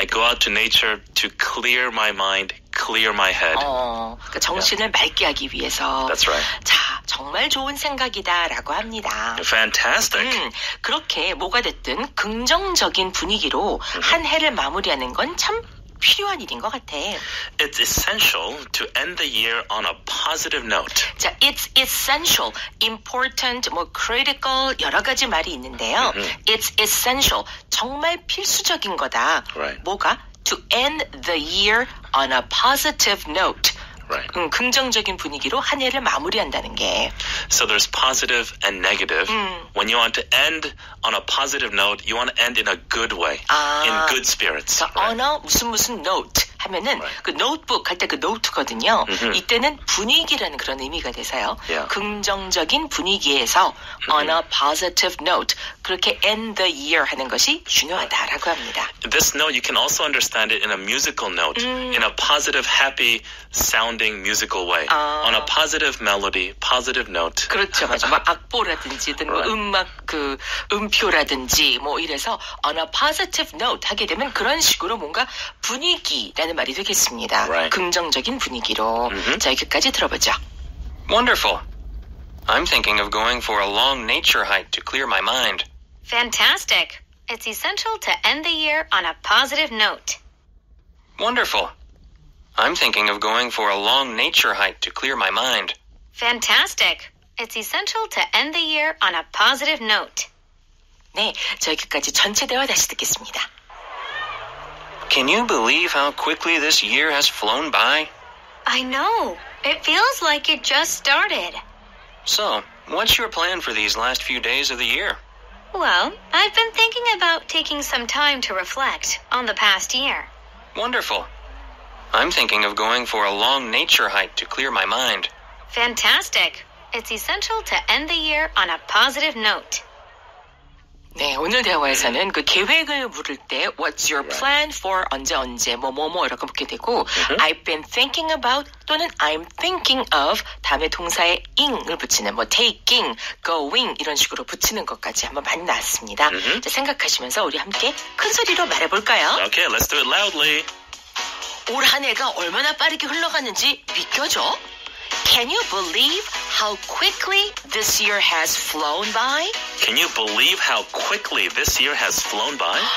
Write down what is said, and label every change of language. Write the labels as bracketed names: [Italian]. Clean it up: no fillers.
[English] I go out to nature to clear my mind, clear my head. [Korean] 그러니까 정신을 [English] yeah. [Korean] 맑게 하기 위해서. [English] That's right. [Korean] 자, 정말 좋은 생각이다라고 합니다. [English] Fantastic. [Korean] 그렇게 뭐가 됐든 긍정적인 분위기로 한 해를 마무리하는 건 참 필요한 일인 것 같아. [English] It's essential to end the year on a positive note. [Korean] 자, [English] it's essential, important, [Korean] 뭐 [English] critical [Korean] 여러 가지 말이 있는데요. [English] It's essential, [Korean] 정말 필수적인 거다. [English] Right. [Korean] 뭐가? [English] To end the year on a positive note. Right. [Korean] 긍정적인 분위기로 한 해를 마무리한다는 게. [English] So there's positive and negative. When you want to end on a positive note, you want to end in a good way, in good spirits. [Korean] 그러니까 [English] right. on a [Korean] 무슨 note 하면은 right. 그 notebook 할 때 그 note거든요. Mm-hmm. 이때는 분위기라는 그런 의미가 돼서요. [English] Yeah. [Korean] 긍정적인 분위기에서 [English] on a positive note [Korean] 그렇게 [English] end the year [Korean] 하는 것이 중요하다라고 합니다. [English] This note you can also understand it in a musical note, in a positive, happy. Sounding musical way on a positive melody, positive note. [Korean] 그렇죠, 맞아. 막 악보라든지, 어떤 [English] right. [Korean] 음악 그 음표라든지 뭐 이래서 [English] on a positive note [Korean] 하게 되면 그런 식으로 뭔가 분위기라는 말이 되겠습니다. [English] Right. [Korean] 긍정적인 분위기로. Mm-hmm. 자, 여기까지 들어보죠. [English] Wonderful. I'm thinking of going for a long nature hike to clear my mind. Fantastic. It's essential to end the year on a positive note. Wonderful. I'm thinking of going for a long nature hike to clear my mind. Fantastic. It's essential to end the year on a positive note. [Korean] 네, 여기까지 전체 대화 다시 듣겠습니다. [English] Can you believe how quickly this year has flown by? I know. It feels like it just started. So, what's your plan for these last few days of the year? Well, I've been thinking about taking some time to reflect on the past year. Wonderful. I'm thinking of going for a long nature hike to clear my mind. Fantastic. It's essential to end the year on a positive note. [Korean] 네, 오늘 대화에서는 그 계획을 물을 때 [English] what's your plan for [Korean] 언제 뭐 이렇게 묻게 되고 [English] I've been thinking about [Korean] 또는 [English] I'm thinking of [Korean] 다음에 동사에 ing을 붙이는 뭐 taking, going 이런 식으로 붙이는 것까지 한번 많이 나왔습니다. 자, 생각하시면서 우리 함께 큰 소리로 말해볼까요? [English] Okay, let's do it loudly. [Korean] 올 한 해가 얼마나 빠르게 흘러갔는지 믿겨져? [English] Can you believe how quickly this year has flown by? Can you believe how quickly this year has flown by?